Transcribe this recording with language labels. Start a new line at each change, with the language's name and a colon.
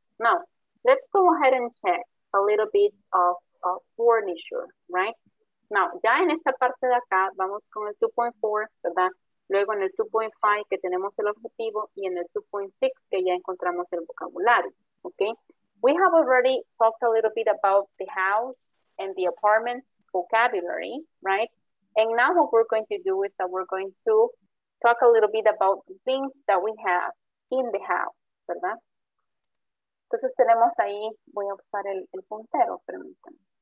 English: Now, let's go ahead and check a little bit of furniture, right? Now,
Spanish: ya en esta parte de acá, vamos con el 2.4, ¿verdad? luego en el 2.5 que tenemos el objetivo, y en el 2.6 que ya encontramos el vocabulario, okay?
English: We have already talked a little bit about the house and the apartment vocabulary, right? And now what we're going to do is that we're going to talk a little bit about things that we have in the house, ¿verdad?
Spanish: Entonces tenemos ahí, voy a usar el puntero, permítanme.